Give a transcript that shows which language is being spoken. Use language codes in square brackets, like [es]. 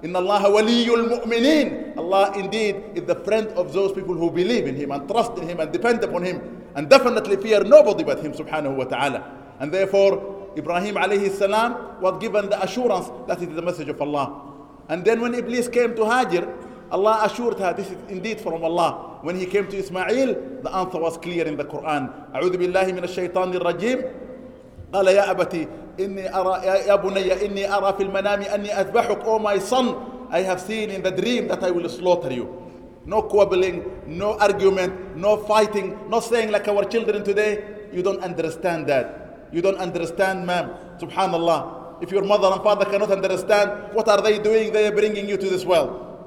[ar] Inna Allah waliyul mu'mineen. [en] Allah indeed is the friend of those people who believe in him and trust in him and depend upon him and definitely fear nobody but him subhanahu wa ta'ala. And therefore, Ibrahim alayhi salam was given the assurance that it is the message of Allah. And then when Iblis came to Hajar, Allah assured her, this is indeed from Allah. When he came to Ismail, the answer was clear in the Quran. [ar] أعوذ بالله من الشيطان الرجيم. قال يا أبتي إني أرى يا بني إني أرى في المنام أني أذبحك. [en] Oh my son, I have seen in the dream that I will slaughter you. No quibbling, no argument, no fighting, no saying like our children today. You don't understand that. You don't understand, ma'am. Subhanallah. If your mother and father cannot understand, what are they doing? They are bringing you to this world.